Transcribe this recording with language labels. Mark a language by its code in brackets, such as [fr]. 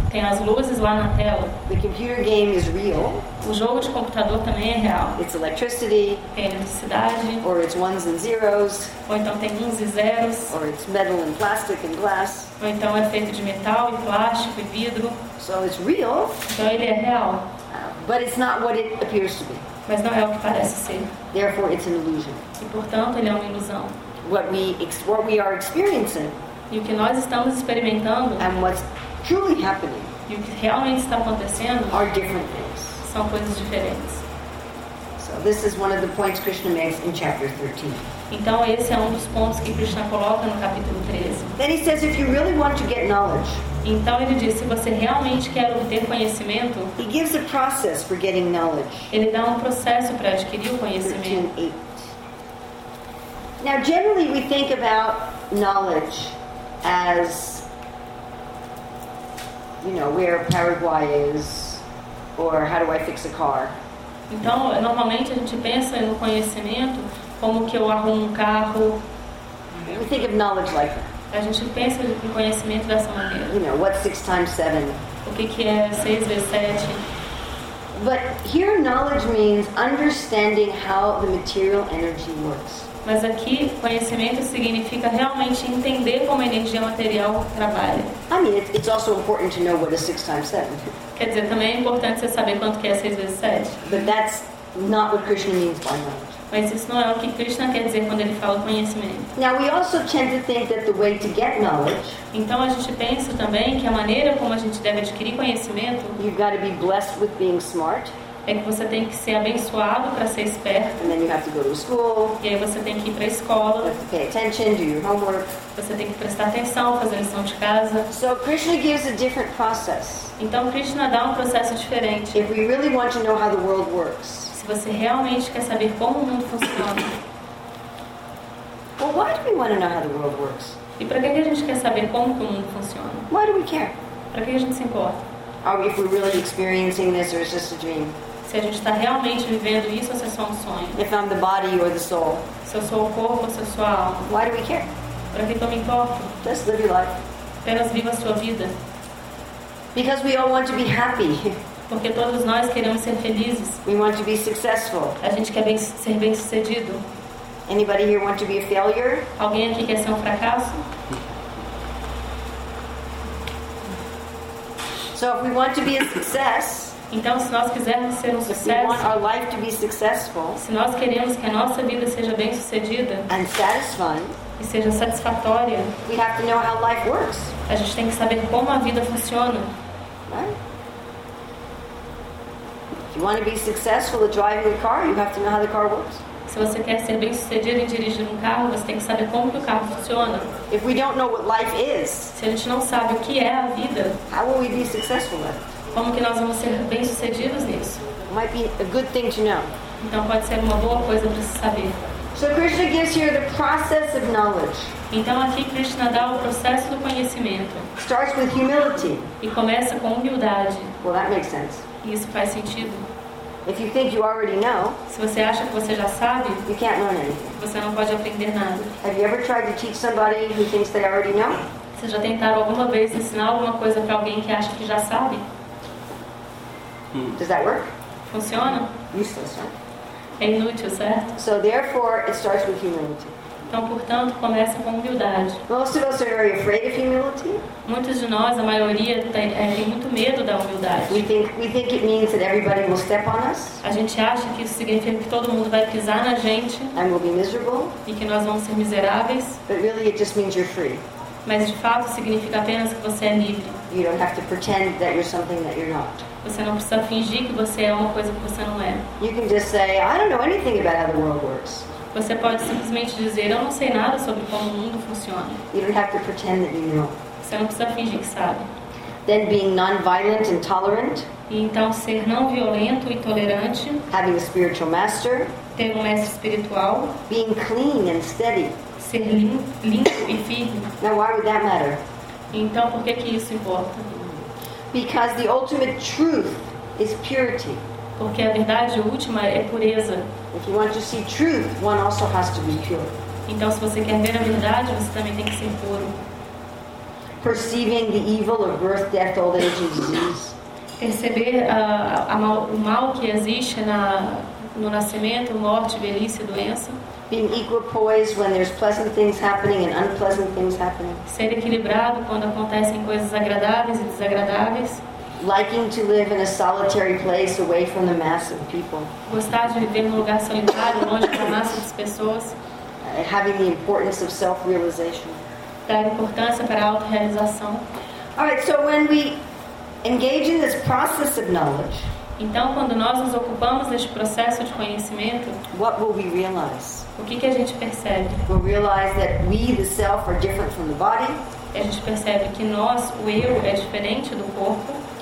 [pt] Tem as luzes lá na tela. [en] The computer game is real. [pt] O jogo de computador também é real. [en] It's electricity. [pt] Tem eletricidade. [en] Or it's ones and zeros. [pt] Ou então tem uns e zeros. [en] Or it's metal and plastic and glass. [pt] Ou então é feito de metal e plástico e vidro. [en] So it's real. [pt] Então ele é real. [en] But it's not what it appears to be. [pt] Mas não é o que parece ser. [en] Therefore, it's an illusion. [pt] E portanto ele é uma ilusão. [en] What we are experiencing. [pt] E o que nós estamos experimentando. [en] And what's truly happening. [pt] E o que realmente está acontecendo. [en] Are different things. [pt] São coisas diferentes. [en] So this is one of the points Krishna makes in chapter 13. [pt] Então esse é um dos pontos que Krishna coloca no capítulo 13. [en] Then he says, if you really want to get knowledge. [pt] Então ele diz, se você realmente quer obter conhecimento. [en] He gives a process for getting knowledge. [pt] Ele dá um processo para adquirir o conhecimento. [en] 13:8. Now, generally, we think about knowledge as, you know, where Paraguay is, or how do I fix a car. [pt] Então, normalmente a gente pensa no conhecimento como que eu arrumo carro. [en] We think of knowledge like that. [pt] A gente pensa no conhecimento dessa maneira. [en] You know, what's 6 times 7? [pt] O que é 6 vezes 7? [en] But here, knowledge means understanding how the material energy works. [pt] Mas aqui, conhecimento significa realmente entender como a energia material trabalha. [en] I mean, it's also important to know what is 6 times 7. [pt] Quer dizer, também é importante você saber quanto que é 6 vezes 7. [en] But that's not what Krishna means by knowledge. [pt] Mas isso não é o que Krishna quer dizer quando ele fala conhecimento. [en] Now, we also tend to think that the way to get knowledge. [pt] Então a gente pensa também que a maneira como a gente deve adquirir conhecimento. [en] You've got to be blessed with being smart. [pt] É que você tem que ser abençoado para ser esperto. [en] And then you have to go to school. [pt] E aí você tem que ir para a escola. [en] You have to pay attention, do your homework. [pt] Você tem que prestar atenção, fazer lição de casa. [en] So Krishna gives a different process. [pt] Então Krishna dá um processo diferente. [en] If we really want to know how the world works. [pt] Se você realmente quer saber como o mundo funciona. [en] Well, why do we want to know how the world works? [pt] E para que a gente quer saber como que o mundo funciona? [en] Why do we care? [pt] Para que a gente se importa? [en] If we're really experiencing this or it's just a dream. [pt] Se a gente está realmente vivendo isso ou se é só um sonho. [en] If I'm the body or the soul. [pt] Se eu sou o corpo ou se eu sou a alma. [en] Why do we care? [pt] Para que eu me importo? [en] Just live your life. [pt] Apenas viva a sua vida. [en] Because we all want to be happy. [pt] Porque todos nós queremos ser felizes. [en] We want to be successful. [pt] A gente quer ser bem sucedido. [en] Anybody here want to be a failure? [pt] Alguém aqui quer ser um fracasso? [en] So if we want to be a success, [pt] então se nós quisermos ser um sucesso, [en] if we want our life to be successful, [pt] se nós queremos que a nossa vida seja bem sucedida, [en] and satisfying, [pt] e seja satisfatória, [en] we have to know how life works. [pt] A gente tem que saber como a vida funciona. [en] If you want to be successful at driving a car, you have to know how the car works. [pt] Se você quer ser bem sucedido em dirigir um carro, você tem que saber como que o carro funciona. [en] If we don't know what life is, [pt] se a gente não sabe o que é a vida, [en] how will we be successful then? [pt] Como que nós vamos ser bem sucedidos nisso? [en] It might be a good thing to know. [pt] Então pode ser uma boa coisa para se saber. [en] So Krishna gives here the process of knowledge. [pt] Então aqui Krishna dá o processo do conhecimento. [en] Starts with humility. [pt] E começa com humildade. [en] Well, that makes sense. [pt] Isso faz sentido. [en] If you think you already know, [pt] se você acha que você já sabe, [en] you can't learn anything. [pt] Você não pode aprender nada. [en] Have you ever tried to teach somebody who thinks they already know? [pt] Você já tentou alguma vez ensinar alguma coisa para alguém que acha que já sabe? [en] Does that work? [pt] Funciona? [en] Useless, right? [pt] É inútil, certo? [en] So therefore, it starts with humility. [pt] Então, portanto, começa com humildade. [en] Most of us are very afraid of humility. [pt] Muitos de nós, a maioria, tem muito medo da humildade. [en] We think it means that everybody will step on us. [pt] A gente acha que isso significa que todo mundo vai pisar na gente. [en] And we'll be miserable. [pt] E que nós vamos ser miseráveis. [en] But really, it just means you're free. [pt] Mas de fato, significa apenas que você é livre. [en] You don't have to pretend that you're something that you're not. [pt] Você não precisa fingir que você é uma coisa que você não é. [en] You can just say, I don't know anything about how the world works. [pt] Você pode simplesmente dizer, eu não sei nada sobre como o mundo funciona. [en] You don't have to pretend that you know. [pt] Você não precisa fingir que sabe. [en] Then being non-violent and tolerant. [pt] E então ser não violento e tolerante. [en] Having a spiritual master. [pt] Ter um mestre espiritual. [en] Being clean and steady. [pt] Ser limpo e firme. [en] Now why would that matter? [pt] Então por que isso importa? [en] Because the ultimate truth is purity. [pt] Porque a verdade última é pureza. [en] If you want to see truth, one also has to be pure. [pt] Então, se você quer ver a verdade, você também tem que ser puro. [en] Perceiving the evil of birth, death, old age, and disease. [pt] Perceber o mal que existe no nascimento, morte, velhice, doença. [en] Being equipoised when there's pleasant things happening and unpleasant things happening. [pt] Ser equilibrado quando acontecem coisas agradáveis e desagradáveis. [en] Liking to live in a solitary place away from the mass of people. [pt] Gostar de viver num lugar solitário, longe da massa das pessoas. [en] Having the importance of self-realization. [pt] Dar importância para a auto-realização. [en] All right, so when we engage in this process of knowledge, [pt] então quando nós nos ocupamos deste processo de conhecimento, [en] what will we realize? [pt] O que a gente percebe? [en] We'll realize that we, the self, are different from the body. [pt] A gente percebe que nós, o eu, é diferente do corpo.